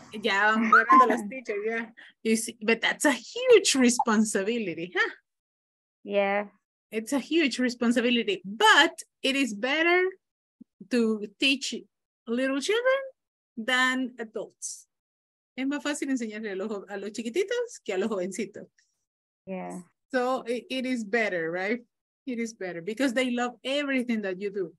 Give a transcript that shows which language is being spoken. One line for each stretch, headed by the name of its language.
Spanish: Ya, van ganando los teachers, yeah.
English: You see, but that's a huge responsibility, huh? Yeah. It's a huge responsibility, but it is better to teach little children than adults.
Spanish: Es más fácil enseñarle a los chiquititos que a los jovencitos.
English: Yeah. So it is better, right? It is better because they love everything that you do.